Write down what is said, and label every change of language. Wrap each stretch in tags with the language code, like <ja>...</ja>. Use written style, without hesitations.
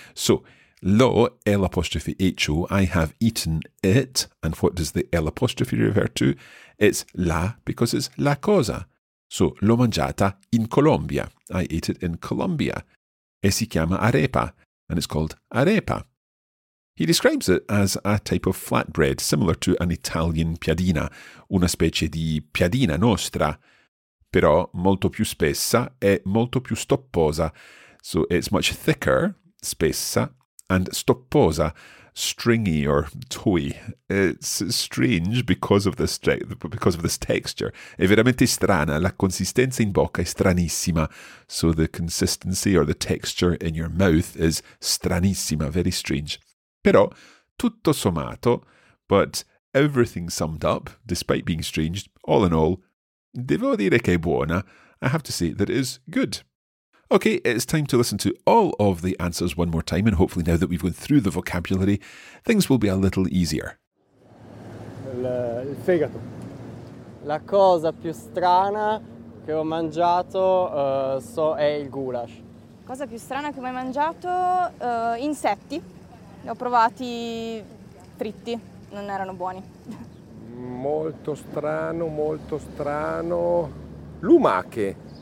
<en>So, l'ho, L apostrophe H-O, I have eaten it. And what does the L apostrophe refer to? It's la, because it's la cosa. So,</en> <it>l'ho mangiata in Colombia.</it> <en>I ate it in Colombia.</en> <it>E si chiama arepa,</it> <en>and it's called arepa. He describes it as a type of flatbread, similar to an Italian piadina,</en> <it>una specie di piadina nostra, però molto più spessa e molto più stopposa.</it> <en>So it's much thicker, spessa, and stopposa, stringy or toy. It's strange because of this texture.</en> <it>È veramente strana, la consistenza in bocca è stranissima.</it> <en>So the consistency or the texture in your mouth is stranissima, very strange.</en> <it>Però tutto sommato,</it> <en>but everything summed up, despite being strange, all in all,</en> <it>devo dire che è buona.</it> <en>I have to say that it is good. Okay, it's time to listen to all of the answers one more time, and hopefully now that we've gone through the vocabulary, things will be a little easier.</en> <it>Il fegato. La cosa più strana che ho mangiato è il goulash. Cosa più strana che ho mai mangiato? Insetti. Li ho provati fritti. Non erano buoni. Molto strano, lumache.</it>